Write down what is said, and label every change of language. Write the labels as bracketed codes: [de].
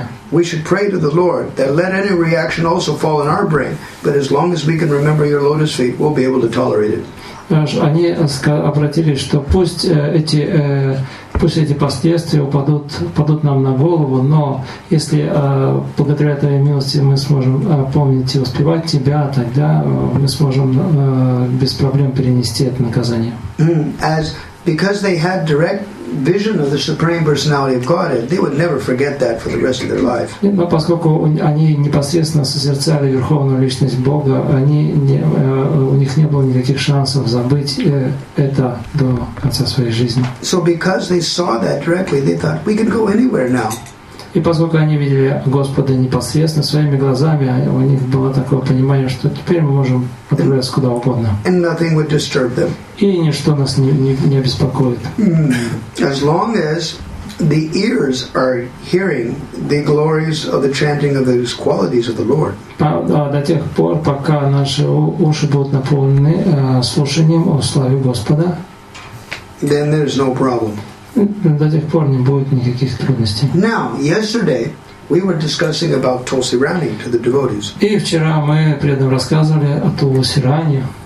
[en] We should pray to the Lord that let any reaction also fall in our brain, but as long as we can remember your lotus feet, we'll be able to tolerate it. [ru] Они обратились, что пусть эти последствия упадут нам на голову, но если благодаря твоей милости мы сможем помнить и успевать тебя, тогда мы сможем без проблем перенести это наказание. [en] Because they had direct vision of the Supreme Personality of Godhead, they would never forget that for the rest of their life. [ru] Но поскольку они непосредственно созерцали Верховную Личность Бога, у них не было никаких шансов забыть это до конца своей жизни. [en] So because they saw that directly, they thought, we can go anywhere now. [ru] И поскольку они видели Господа непосредственно своими глазами, у них было такое понимание, что теперь мы можем отправиться куда угодно. [en] And nothing would disturb them. [ru] И ничто нас не беспокоит. [en] As long as the ears are hearing the glories of the chanting of those qualities of the Lord. [ru] До тех пор, пока наши уши будут наполнены слушанием о славе Господа, [en] then there's no problem. [ru] До тех пор не будет никаких трудностей. [en] Now, yesterday we were discussing about Tulsi Rani to the devotees. [ru] И вчера мы преданным рассказывали о Тулси Рани.